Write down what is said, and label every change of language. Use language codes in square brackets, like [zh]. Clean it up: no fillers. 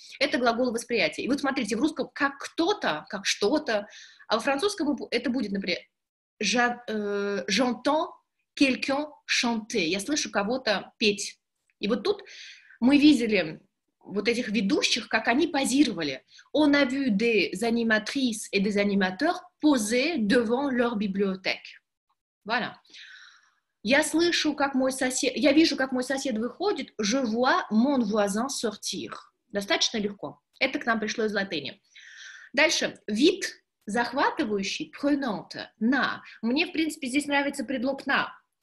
[ru] Это глагол восприятия. И вот смотрите, в русском как кто-то, как что-то. А во французском это будет, например, [fr] j'entends quelqu'un chanter. [ru] Я слышу кого-то петь. И вот тут мы видели вот этих ведущих, как они позировали. [fr] On a vu des animatrices et des animateurs poser devant leur bibliothèque. Voilà. [ru] Я слышу, как мой сосед... Я вижу, как мой сосед выходит. [fr] Je vois mon voisin sortir. [ru] Достаточно легко. Это к нам пришло из латыни. Дальше. Вид захватывающий. Prenante. На. Мне, в принципе, здесь нравится предлог на.